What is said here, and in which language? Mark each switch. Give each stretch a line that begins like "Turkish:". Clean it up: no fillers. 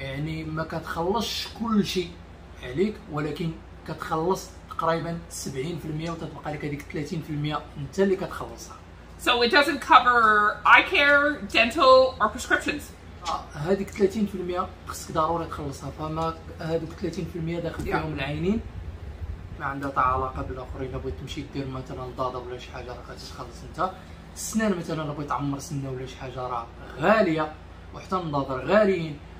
Arabic: يعني ما كتخلصش كل شيء عليك ولكن كتخلص تقريبا 70% وتتبقى لك هذيك 30% انت اللي كتخلصها.
English: So it doesn't cover eye care, dental or prescriptions.
Arabic: هذيك 30% خصك ضروري تخلصها. فما هذوك 30% داخل فيهم العينين ما عندها علاقة بالآخرين. بغيت تمشي دير مثلا ضادة ولا شي حاجة راه غادي تخلص انت. السنان مثلا بغيت تعمر سنة ولا شي حاجة راه غالية وحتى النظر غاليين.